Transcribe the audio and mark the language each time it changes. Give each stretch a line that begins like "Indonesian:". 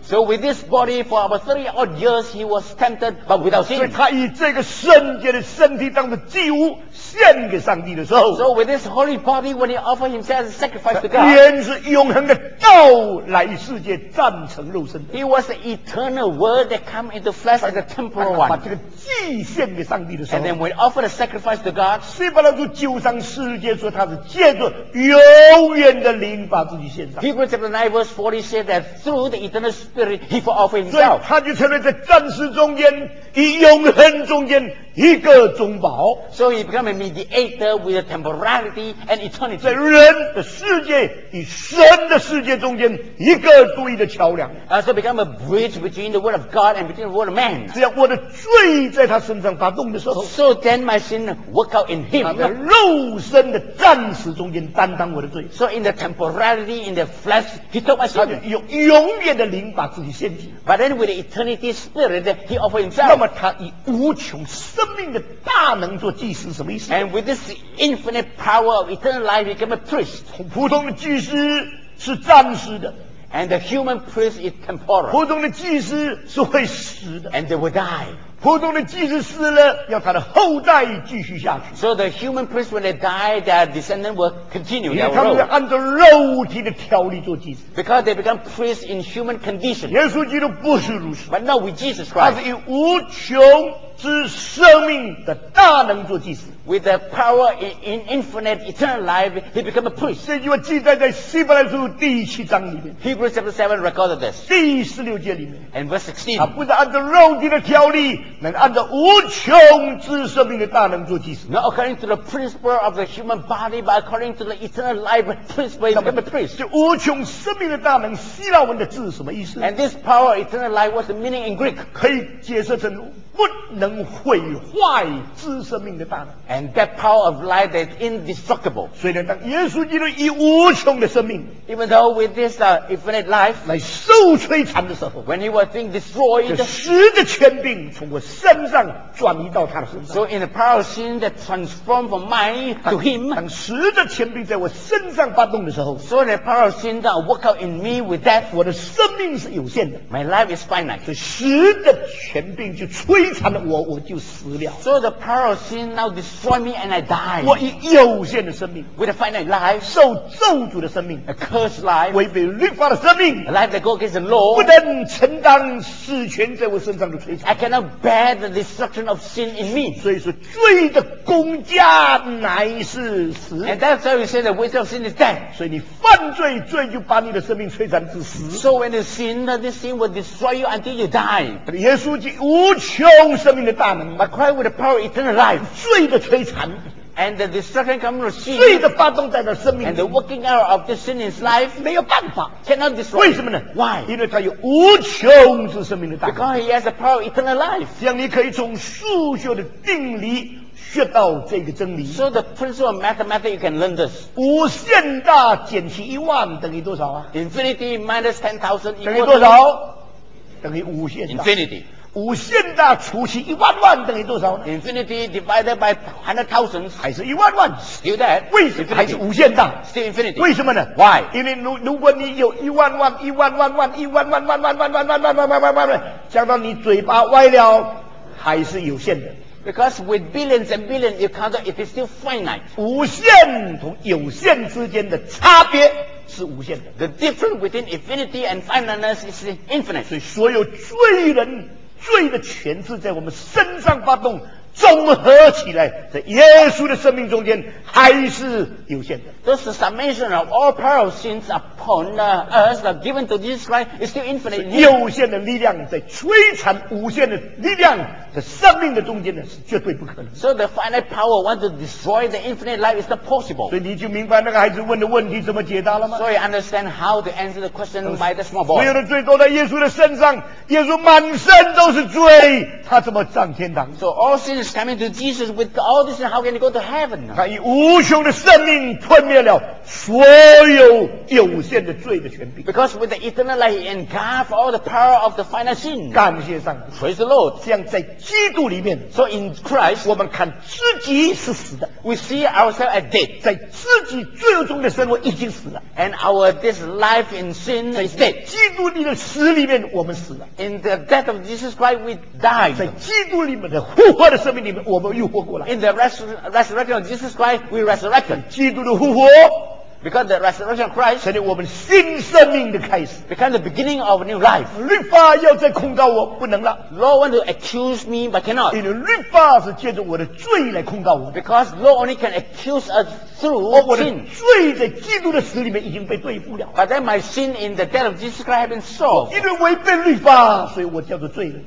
English: So with this body for about 30 odd years, he was tempted, but without sin.
Chinese: 所以他以这个圣洁的身体当作祭物献给上帝的时候，
English: So with this holy body, when he offered himself as a sacrifice to God,
Chinese: 原是永恒的道来世界站成肉身。
English: He was the eternal word that came into flesh as a temporal one.
Chinese: 把这个祭献给上帝的时候，
English: And then when he offered a sacrifice to God,
Chinese: 希伯来书九章十二节说他是借着永远的灵把自己献上。
English: Hebrews chapter 9 verse 40 said that through the eternal spirit, he offered himself.
Chinese: 所以他就成为在暂时中间以永恒中间一个中保。
English: So he became a mediator with a temporality and eternity.
Chinese: 在人的世界与神的世界中间一个独立的桥梁。
English: So he became a bridge between the word of God and between the word of man.
Chinese: 只要我的罪在他身上发动的时候，
English: So then my sin work out in him.
Chinese: 他在肉身的暂时中间担当我的罪。
English: So in the temporality, in the flesh, he took my sin.
Chinese: 有永远的灵把自己献祭。
English: But then with the eternity spirit, he offered himself.
Chinese: 那么他以无穷生命的大能做祭司什么意思？
English: And with this infinite power of eternal life, he became a priest.
Chinese: 普通的祭司是暂时的。
English: And the human priest is temporal.
Chinese: 普通的祭司是会死的。
English: And they will die.
Chinese: 普通的祭司死了，要他的后代继续下去。
English: So the human priest when they die, their descendant will continue.
Chinese: 因为他们是按照肉体的条例做祭司。
English: Because they become priests in human condition.
Chinese: 耶稣基督不是如此。
English: But not with Jesus Christ.
Chinese: 他是以无穷之生命的大能做祭司。
English: With the power in infinite eternal life, he became a priest.
Chinese: 这句话记载在希伯来书第七章里面。
English: Hebrews chapter 7 recorded this.
Chinese: 第十六节里面。
English: And verse 16.
Chinese: 他不是按照肉体的条例，能按照无穷之生命的大能做祭司。
English: Not according to the principle of the human body, but according to the eternal life principle, he became a priest.
Chinese: 这无穷生命的大能，希腊文的字是什么意思？
English: And this power, eternal life, what's the meaning in Greek?
Chinese: 可以解释成不能毁坏之生命的大能。
English: And that power of life that is indestructible.
Chinese: 虽然当耶稣基督以无穷的生命
English: ，even though with this infinite life
Chinese: 来受摧残的时候
English: ，when he was being destroyed，
Chinese: 这死的权柄从我身上转移到他的身上。
English: So in the power of sin that transformed from mine to him，
Chinese: 当死的权柄在我身上发动的时候
English: ，so the power of sin that work out in me with that，
Chinese: 我的生命是有限的
English: ，my life is finite。
Chinese: 这死的权柄就摧残了我，我就死了。
English: So the power of sin now destroyed destroy me and I die.
Chinese: 我以有限的生命
English: with a finite life,
Chinese: 受咒诅的生命
English: a cursed life,
Chinese: 违背律法的生命
English: a life that goes against the law,
Chinese: 不能承担死权在我身上的摧残
English: I cannot bear the destruction of sin in me.
Chinese: 所以说罪的工价乃是死
English: and that's how you say the wages of sin is death.
Chinese: 所以你犯罪，罪就把你的生命摧残至死
English: So when you sin, this sin will destroy you until you die.
Chinese: 耶稣基督无穷生命的大能
English: but Christ with the power of eternal life.
Chinese: 罪的摧残
English: and the destruction comes from sin
Chinese: 罪的发动在他生命
English: and the working out of this sin in his life
Chinese: 没有办法
English: cannot destroy
Chinese: 为什么呢
English: why
Chinese: 因为他有无穷之生命的大能
English: because he has the power of eternal life
Chinese: 这样你可以从数学的定理学到这个真理
English: so the principle of mathematics you can learn this
Chinese: 无限大减去一万等于多少啊
English: infinity minus 10,000
Chinese: 等于多少等于无限大
English: infinity
Chinese: 无限大除去一万万等于多少呢
English: ？Infinity divided by 100,000
Chinese: 还是一万万
English: ？Still that？
Chinese: 为什么还是无限大
English: ？Still infinity？
Chinese: 为什么呢
English: ？Why？
Chinese: 因为如果你有一万万、一万万万、一万万万万万万万万万万万万万，讲到你嘴巴歪了，还是有限的。
English: Because with billions and billions, you count it is still finite.
Chinese: 无限同有限之间的差别是无限的。
English: The difference between infinity and finiteness is infinite.
Chinese: 所以所有罪人。罪的权势在我们身上发动综合起来在耶稣的生命中间还是有限的
English: This is the summation of all power of sins upon us given to Jesus Christ is still infinite
Chinese: 有限的力量在摧残无限的力量在生命的中间呢是绝对不可能
English: So the finite power wants to destroy the infinite life is not possible
Chinese: 所以你就明白那个孩子问的问题怎么解答了吗
English: So you understand how to answer the question by the small boy
Chinese: 所有的罪都在耶稣的身上耶稣满身都是罪他怎么上天堂
English: So all sins is coming to Jesus with all this and how can he go to heaven
Chinese: 他以无穷的生命吞灭了所有有限的罪的权柄
English: Because with the eternal life he engulfed all the power of the finite sin
Chinese: 感谢上帝
English: Praise the Lord
Chinese: 这样在基督里面
English: So in Christ
Chinese: 我们看自己是死的
English: We see ourselves as dead
Chinese: 在自己最终的生活已经死了
English: And our this life in sin is dead
Chinese: 基督里的死里面我们死了
English: In the death of Jesus Christ we died
Chinese: 在基督里面的复活的生命里面我们又活过来
English: In the resurrection of Jesus Christ we resurrected
Chinese: 基督的复活
English: Because the resurrection of Christ
Chinese: 成为我们新生命的开始
English: Become the beginning of a new life
Chinese: 律法要再控告我不能了
English: Law want to accuse me but cannot
Chinese: 因为律法是借着我的罪来控告我
English: Because law only can accuse us through sin
Chinese: 我的罪在基督的死里面已经被对付了
English: But then my sin in the death of Jesus Christ have been solved
Chinese: 因为违背律法所以我叫做罪人